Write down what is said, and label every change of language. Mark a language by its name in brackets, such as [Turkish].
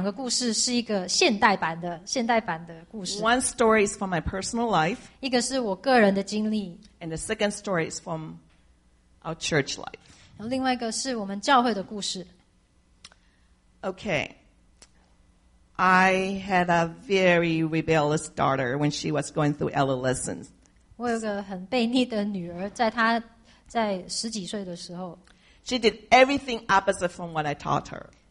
[Chinese] 然后我会跟你们分享，在另外两个故事是一个现代版的故事。 [English] One story is from my personal life. [Chinese] 一个是我个人的经历。 [English] And the second story is from our church life. [Chinese] 然后另外一个是我们教会的故事。 [English] Okay. I had a very rebellious daughter when she was going through adolescence. [Chinese] 我有个很悖逆的女儿，在她十几岁的时候。 [English] She did everything opposite from what I taught her.